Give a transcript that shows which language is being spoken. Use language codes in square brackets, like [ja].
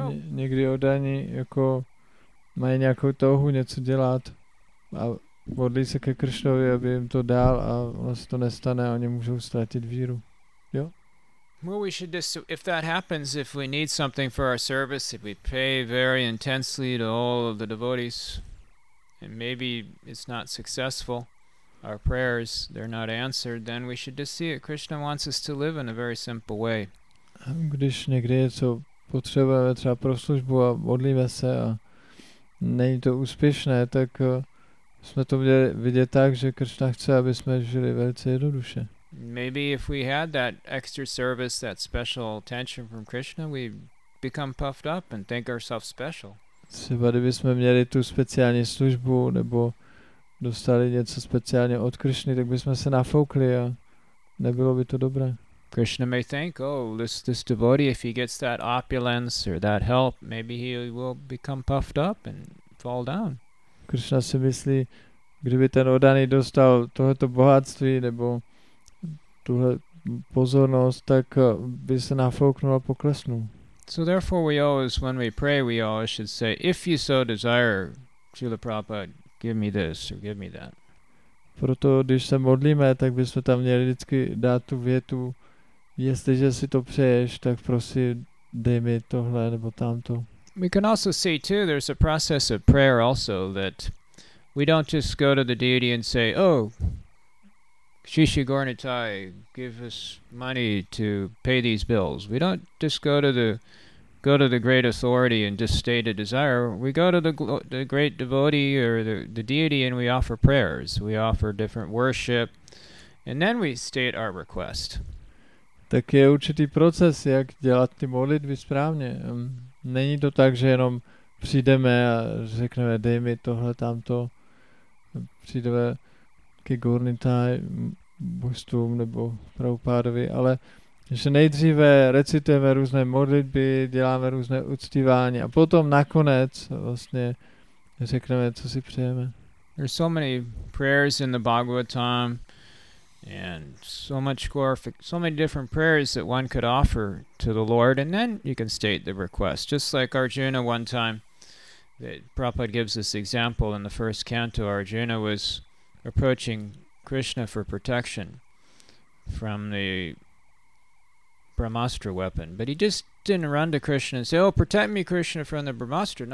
[cs] Někdy oddaní jako mají nějakou touhu něco dělat a modlí se ke Krišnovi, aby jim to dal a ono se to nestane a oni můžou ztratit víru. Jo? [en] Well, we should just, if that happens, if we need something for our service, if we pay very intensely to all of the devotees and maybe it's not successful, our prayers, they're not answered, then we should just see that Krishna wants us to live in a very simple way. [cs] Když někdy něco potřebujeme třeba pro službu a modlíme se a není to úspěšné, tak jsme to měli vidět tak, že Krishna chce, aby jsme žili velice jednoduše. [en] Maybe if we had that extra service, that special attention from Krishna, we become puffed up and think ourselves special. [cs] Třeba kdybychom měli tu speciální službu nebo dostali něco speciálně od Krishny, tak bychom se nafoukli a nebylo by to dobré. [en] Krishna may think, oh, this devotee, if he gets that opulence or that help, maybe he will become puffed up and fall down. [cs] Krishna si myslí, kdyby ten oddaný dostal tohleto bohatství nebo tuhle pozornost, tak by se nafouknul a poklesnul. [en] So therefore we always, when we pray, we always should say, if you so desire, Srila Prabhupada, give me this or give me that. [cs] Proto když se modlíme, tak bychom tam měli vždycky dát tu větu, jestliže si to přeješ, tak prosím, dej mi tohle nebo tamto. [en] We can also see too, there's a process of prayer also, that we don't just go to the deity and say, oh, Shishi Gornitai, give us money to pay these bills. We don't just go to the great authority and just state a desire. We go to the great devotee or the deity and we offer prayers. We offer different worship and then we state our request. [cs] Tak je určitý proces, jak dělat ty modlitby správně. Není to tak, že jenom přijdeme a řekneme, dej mi tohle, tamto, přijdeme ke Gornitai, Bhustvům nebo Prabhupádovi, ale Že nejdříve recitujeme různé modlitby, děláme různé uctívání a potom nakonec vlastně řekneme, co si přejeme. [en] There's so many prayers in the Bhagavatam and so much so many different prayers that one could offer to the Lord, and then you can state the request. Just like Arjuna one time, that Prabhupada gives this example in the first canto, Arjuna was approaching Krishna for protection from the Brahmastra weapon, but he just didn't run to Krishna and say, oh, protect me, Krishna, from the Brahmastra.